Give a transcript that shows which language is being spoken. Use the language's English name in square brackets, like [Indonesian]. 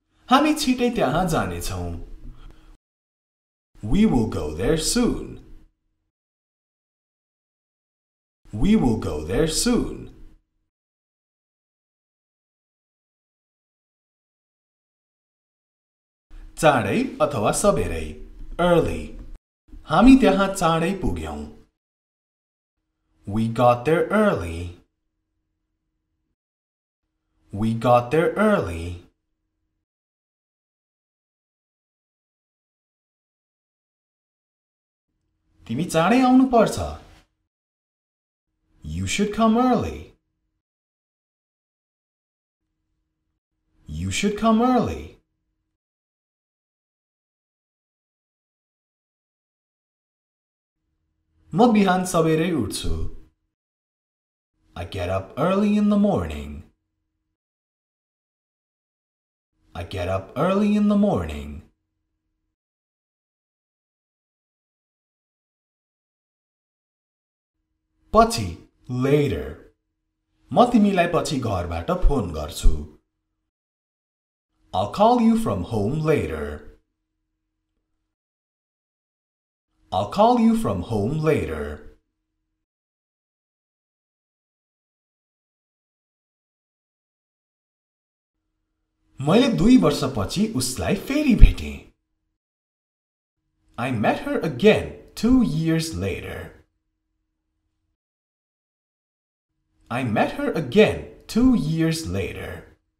[Nepali] हामी छिटै त्यहाँ जाने छौं [English] We will go there soon [Nepali] We will go there soon. चाँडै अथवा सबेरै early. हामी त्यहाँ चाँडै पुग्यौं. [English] We got there early. We got there early. [Nepali] तिमी चाँडै आउनु पर्छ. [English] You should come early. You should come early. [Nepali] म बिहान सबेरै उठ्छु. [English] I get up early in the morning. I get up early in the morning. [Nepali] पछि, later. म तिमीलाई पछि घरबाट फोन गर्छु. [English] I'll call you from home later. I'll call you from home later. [Nepali] मैले दुई वर्षपछि उसलाई फेरि भेटे. [English] I met her again 2 years later. I met her again 2 years later.